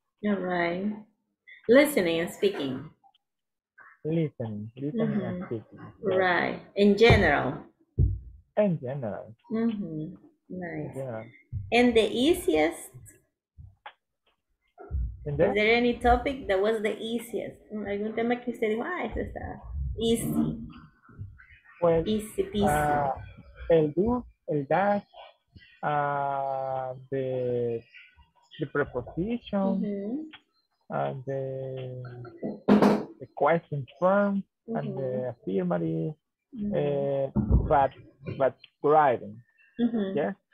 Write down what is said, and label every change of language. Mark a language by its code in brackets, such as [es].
[en] All right. Listening and speaking. Listening and speaking. Yeah. Right. In general. Nice. And the easiest? Is there any topic that was the easiest? [es] ¿Algún tema que usted dijo, ah, eso está easy? [en] Well, easy peasy. El dash, the preposition, and the question form, and the affirmative, but writing, yeah.